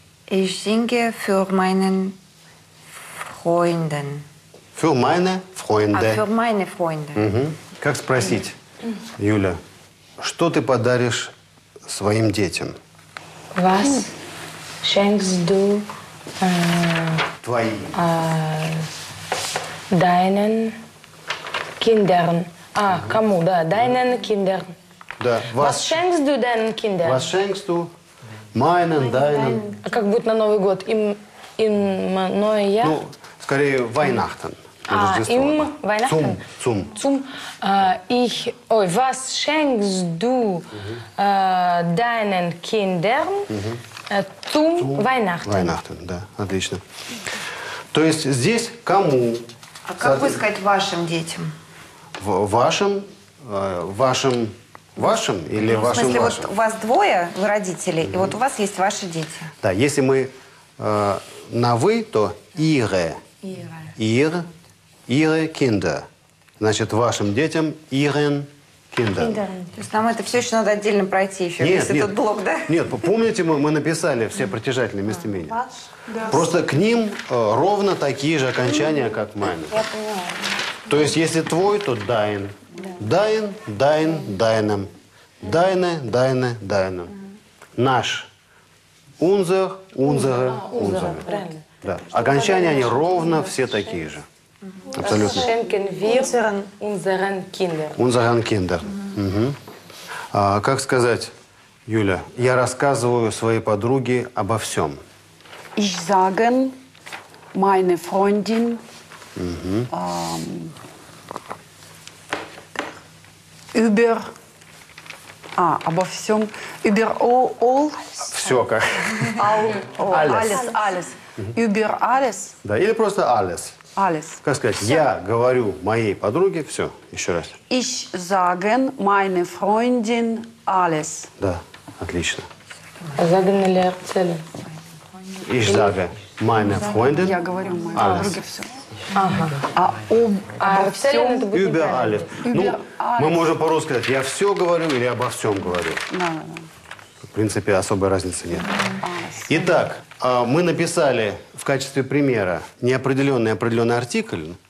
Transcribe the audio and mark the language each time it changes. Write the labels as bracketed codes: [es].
[de] Ich singe für meine Freunde. Für meine Freunde. [ru] А, [de] für meine Freunde. [ru] Как спросить, Юля, что ты подаришь своим детям? [de] Was schenkst du? [ru] Твои. [de] Deinen Kindern. [ru] А, кому, да. [de] Deinen Kindern. [ru] Да. [de] Was schenkst du deinen Kindern? Was schenkst du meinen, deinen? [ru] А как будет на Новый год? [de] Im, in neue Jahr? [ru] Ну, скорее, Weihnachten. А, [de] im Weihnachten? Zum. Zum. Ich, ой, was schenkst du deinen Kindern? Zum Weihnachten. [ru] Weihnachten, да, отлично. То есть здесь кому? А как бы сказать вашим детям? Вашим или вашим? В смысле, вашим? Вот у вас двое, вы родители, и вот у вас есть ваши дети. Да, если мы на вы, то [de] ihre. Ihre. Ihre Kinder. [ru] Значит, вашим детям [de] ihren. Kinder. [ru] То есть нам это все еще надо отдельно пройти еще, нет, весь этот блок, да? Нет, помните, мы написали все притяжательные местоимения. Просто к ним ровно такие же окончания, как [de] mein. [ru] Я поняла. То есть если твой, то [de] dein. Dein, dein, deinem. Deine, deine, deinem. [ru] Наш. [de] Unser, unsere, unsere. Да. [ru] Окончания, они ровно все такие же. Абсолютно. [de] Schenken wir unseren Kindern. Unseren Kindern. [ru] А, как сказать, Юля, я рассказываю своей подруге обо всем. [de] Ich sage meine Freundin über [ru] обо всем. [de] Über all. [ru] Все как. [de] Alles. Über alles. [ru] Да, или просто [de] alles. Alles. [ru] Как сказать? Все. Я говорю моей подруге все. Еще раз. [de] Ich sage meine Freundin alles. [ru] Да, отлично. [de] Sagen [ru] или [de] erzählen? Ich sage meine Freundin. [ru] Я говорю моей [de] alles. [ru] Подруге все. Ага. А обо всем? [de] Über alles. [ru] Ну, мы можем по-русски сказать, я все говорю или обо всем говорю. Да, да, да. В принципе, особой разницы нет. Итак, мы написали в качестве примера неопределенный определенный артикль.